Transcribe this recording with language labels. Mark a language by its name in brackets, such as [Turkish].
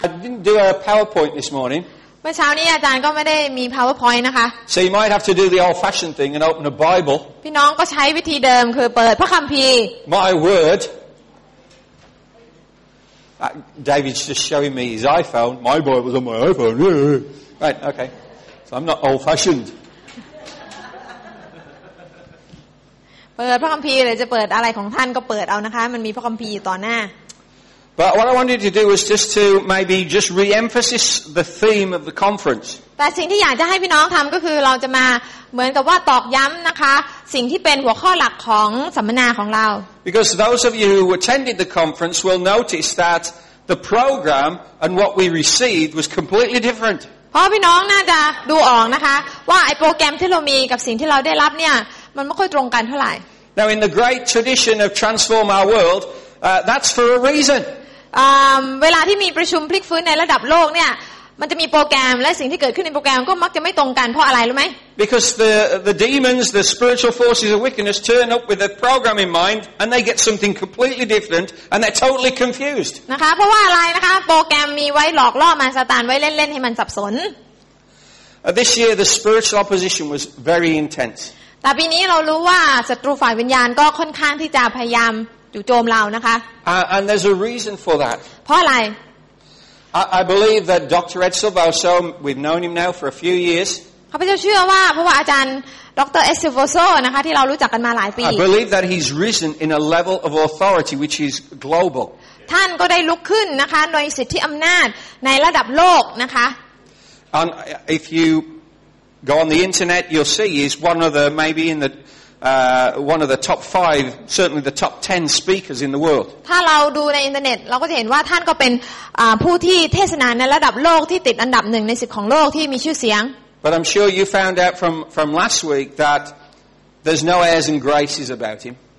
[English] I didn't do a PowerPoint this morning. [Thai] เมื่อเช้านี้อาจารย์ก็ไม่ได้มี PowerPoint นะคะ [English] So you might have to do the old-fashioned thing and open a Bible. [Thai] พี่น้องก็ใช้วิธีเดิมคือเปิดพระคัมภีร์ [English] My word. David's just showing me his iPhone. My Bible's on my iPhone. Right. Okay. So I'm not old-fashioned. [Thai] เปิดพระคัมภีร์หรือจะเปิดอะไรของท่านก็เปิดเอานะคะมันมีพระคัมภีร์อยู่ต่อหน้า [English] But what I wanted to do was just to maybe just re-emphasize the theme of the conference. [Thai] แต่สิ่งที่อยากจะให้พี่น้องทำก็คือเราจะมาเหมือนกับว่าตอกย้ำนะคะสิ่งที่เป็นหัวข้อหลักของสัมมนาของเรา [English] Because those of you who attended the conference will notice that the program and what we received was completely different. [Thai] เพราะพี่น้องน่าจะดูออกนะคะว่าไอ้โปรแกรมที่เรามีกับสิ่งที่เราได้รับเนี่ยมันไม่ค่อยตรงกันเท่าไหร่ [English] Now in the great tradition of transform our world, that's for a reason. [Thai] เวลาที่มีประชุมพลิกฟื้นในระดับโลกเนี่ยมันจะมีโปรแกรมและสิ่งที่เกิดขึ้นในโปรแกรมก็มักจะไม่ตรงกันเพราะอะไรรู้ไหม [English] Because the demons, the spiritual forces of wickedness turn up with a program in mind and they get something completely different and they're totally confused. [Thai] นะคะเพราะว่าอะไรนะคะโปรแกรมมีไว้หลอกล่อมารซาตานไว้เล่นๆให้มันสับสน [English] This year the spiritual opposition was very intense. [Thai] แต่ปีนี้เรารู้ว่าศัตรูฝ่ายวิญญาณก็ค่อนข้างที่จะพยายามจู่โจมเรานะคะ [English] and there's a reason for that [Thai] เพราะอะไร [English] I believe that Dr. Ed Silvoso we've known him now for a few years [Thai] ข้าพเจ้าเชื่อว่าเพราะว่าอาจารย์ดร.Ed Silvoso นะคะที่เรารู้จักกันมาหลายปี [English] I believe that he's risen in a level of authority which is global [Thai] ท่านก็ได้ลุกขึ้นนะคะในสิทธิอำนาจในระดับโลกนะคะ [English] and if youGo on the internet, you'll see he's one of the maybe in the one of the top five, certainly the top 10 speakers in the world. [Thai] ถ้าเราดูในอินเทอร์เน็ตเราก็จะเห็นว่าท่านก็เป็นผู้ที่เทศนาในระดับโลกที่ติดอันดับหนึ่งในสิบของโลกที่มีชื่อเสียง [English] But I'm sure you found out from last week that there's no airs and graces about him.